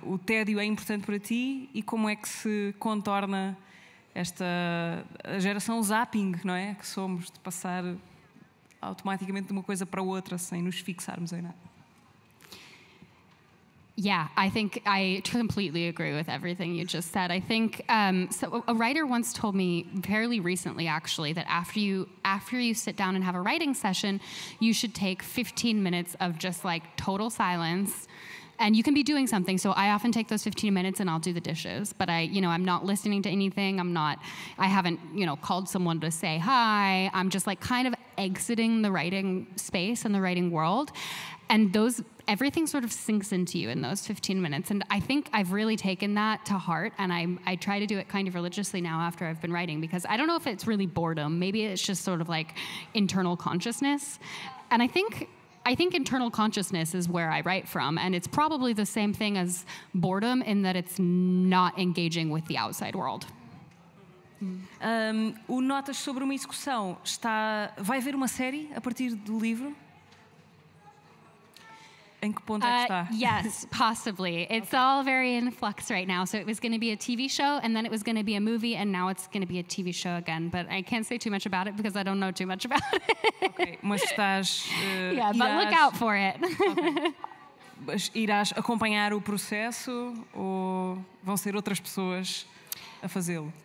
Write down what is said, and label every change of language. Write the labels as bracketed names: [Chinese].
[Portuguese] O tédio é importante para ti e como é que se contorna esta geração zapping, não é? Que somos de passar automaticamente de uma coisa para outra sem nos fixarmos em nada. [English] Yeah, I think I completely agree with everything you just said. I think so. A writer once told me fairly recently, actually, that after you sit down and have a writing session, you should take 15 minutes of just like total silence, and you can be doing something. So I often take those 15 minutes and I'll do the dishes, but I'm not listening to anything. I haven't called someone to say hi. I'm just like kind of exiting the writing space and the writing world, and those. Everything sort of sinks into you in those 15 minutes. And I think I've really taken that to heart. And I try to do it kind of religiously now after I've been writing, because I don't know if it's really boredom. Maybe it's just sort of like internal consciousness. And I think internal consciousness is where I write from. And it's probably the same thing as boredom in that it's not engaging with the outside world. [Portuguese] O Notas sobre uma execução está... Vai haver uma série a partir do livro? Em que ponto é que está? [English] Yes, possibly. It's okay. All very in flux right now. So it was going to be a TV show, and then it was going to be a movie, and now it's going to be a TV show again. But I can't say too much about it because I don't know too much about it. [Portuguese] Okay, mas estás... [English] But look out for it. Okay. [Portuguese] Irás acompanhar o processo ou vão ser outras pessoas a fazê-lo?